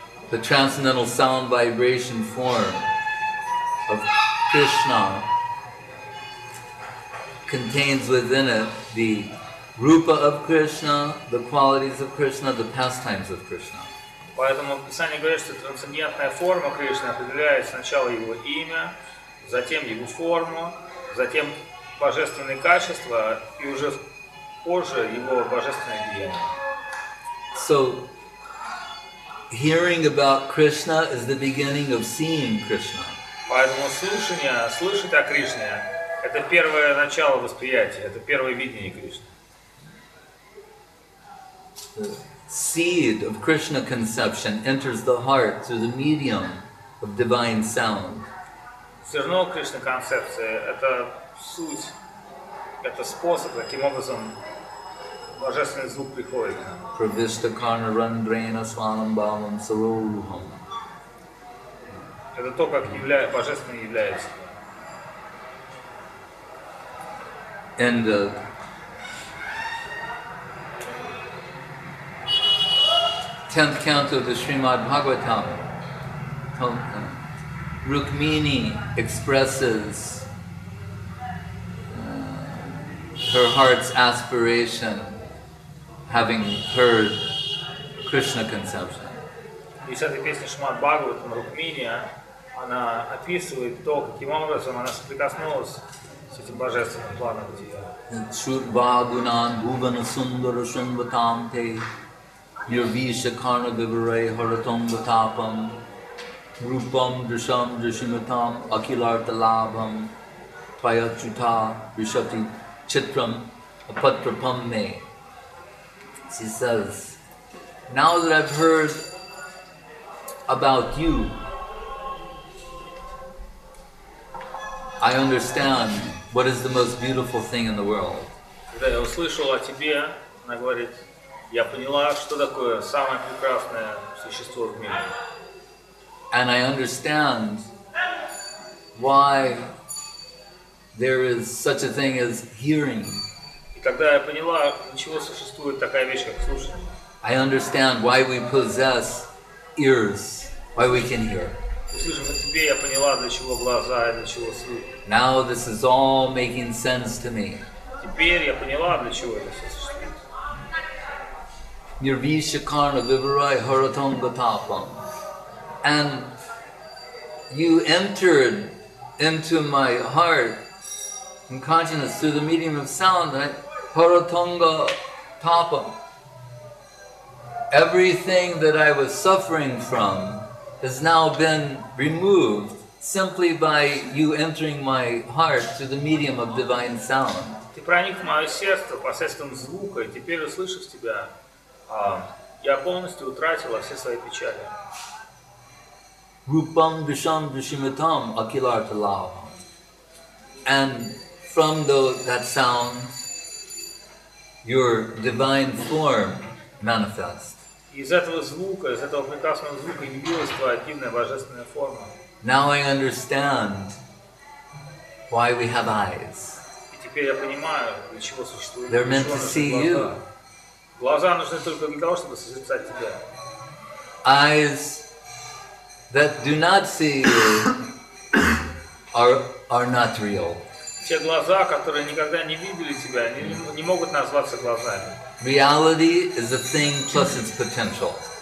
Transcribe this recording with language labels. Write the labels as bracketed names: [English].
[English] The transcendental sound vibration form of Krishna contains within it the rupa of Krishna, the qualities of Krishna, the pastimes of Krishna. [Russian] Поэтому Писание говорит, что трансцендентная форма Кришны определяет сначала его имя, затем его форму, затем божественные качества и уже позже его божественное деяние. [English] So, hearing about Krishna is the beginning of seeing Krishna. [Russian] Поэтому слушание, слышать о Кришне, это первое начало восприятия, это первое видение Кришны. [English] Seed of Krishna conception enters the heart through the medium of divine sound. [Russian] Зерно Кришна концепции — это суть, это способ, каким образом божественный звук приходит к нам. [Sanskrit] Pravishta karna randrena svanam bhavam saroruham. [Russian] Это то, как являет, божественный является. [English] And, tenth canto of the Srimad Bhagavatam, Rukmini expresses her heart's aspiration having heard Krishna conception. In the 10th canto of Srimad Bhagavatam, Rukmini, she [Russian] описывает то, каким образом она соприкоснулась с этим божественным планом бытия. [Sanskrit] Shrutva gunan bhuvana sundara shunvatam te Nirvisha karna vivare haratam vatapam Rupam drisham drishimatam akilartha labham Tvayachuta rishati chitram apatrapam me. [English] She says, now that I've heard about you, I understand what is the most beautiful thing in the world. [Russian] Когда я услышал о тебе, она говорит, я поняла, что такое самое прекрасное существо в мире. [English] And I understand why there is such a thing as hearing. [Russian] И тогда я поняла, для чего существует такая вещь, как слушание. [English] I understand why we possess ears, why we can hear. [Russian] Услышав о тебе, я поняла, для чего глаза и для чего слух. [English] Now this is all making sense to me. [Russian] Теперь я поняла, для чего это все. [Sanskrit] Nirvisha karna vivarai haratam gatapam. [English] And you entered into my heart and consciousness through the medium of sound, right? [Sanskrit] Haratam gatapam. [English] Everything that I was suffering from has now been removed simply by you entering my heart through the medium of divine sound. [Russian] Ты проник в мое сердце посредством звука, и теперь, услышав тебя, я полностью утратила все свои печали. [Sanskrit] Rupam visham drishimatam akilartha labham. [English] And from that sound, your divine form manifests. [Russian] Из этого звука, из этого прекрасного звука, явилась твоя дивная божественная форма. [English] Now I understand why we have eyes. [Russian] И теперь я понимаю, для чего существует. [English] They're meant to see you. [Russian] Глаза нужны только для того, чтобы созерцать тебя. [English] Eyes that do not see you are not real. [Russian] Те глаза, которые никогда не видели тебя, не могут назваться глазами. [English] Reality is a thing plus its potential.